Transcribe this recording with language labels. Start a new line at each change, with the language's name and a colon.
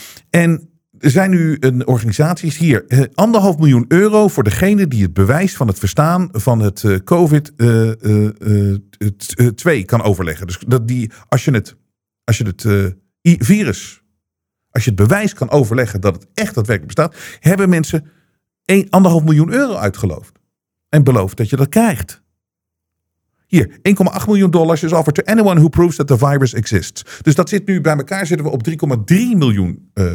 Dutch: En er zijn nu een organisaties hier. 1,5 miljoen euro voor degene die het bewijs van het verstaan van het COVID-2 kan overleggen. Dus dat die, als je het virus, als je het bewijs kan overleggen dat het echt daadwerkelijk bestaat, hebben mensen 1,5 miljoen euro uitgeloofd. En beloofd dat je dat krijgt. Hier,
English: $1,8 miljoen is offered to anyone who proves that the virus exists.
Dutch: Dus dat zit nu bij elkaar, zitten we op $3,3 miljoen.